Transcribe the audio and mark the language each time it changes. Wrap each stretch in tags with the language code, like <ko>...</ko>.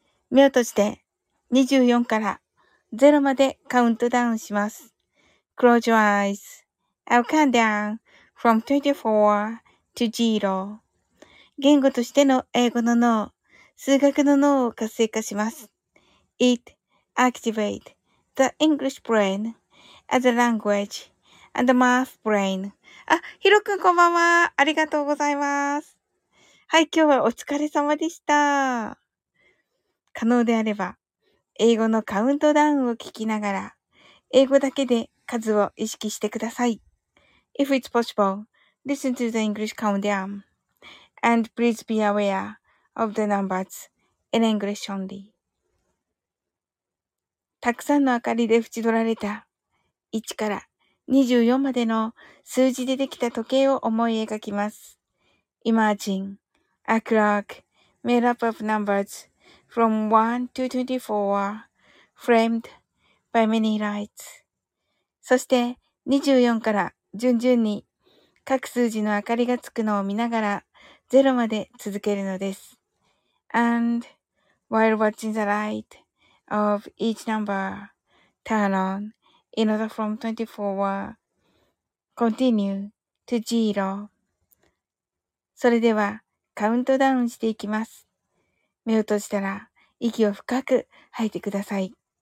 <ja>目を閉じて24から0までカウントダウンします。</ja> <en>Close your eyes. I'll count down from 24 to 0.</en> <ja>言語としての英語の脳、数学の脳を活性化します。</ja> <en>It activates the English brain as a language and the math brain.</en> <ja>あ、ヒロ君こんばんは。ありがとうございます。はい、今日はお疲れ様でした。可能であれば、英語のカウントダウンを聞きながら、英語だけで数を意識してください。</ja> <en>If it's possible, listen to the English countdown. And please be aware of the numbers in English only.</en> <ja>たくさんの明かりで縁取られた1から24までの数字でできた時計を思い描きます。</ja> <en>Imagine a clock made up of numbers from 1 to 24 framed by many lights.</en> <ja>そして24から順々に各数字の明かりがつくのを見ながら0まで続けるのです。</ja> <en>And while watching the light,of each number, turn on, in order from 24, continue to zero.</en> <ja>それではカウントダウンしていきます。目を閉じたら息を深く吐いてください。</ja>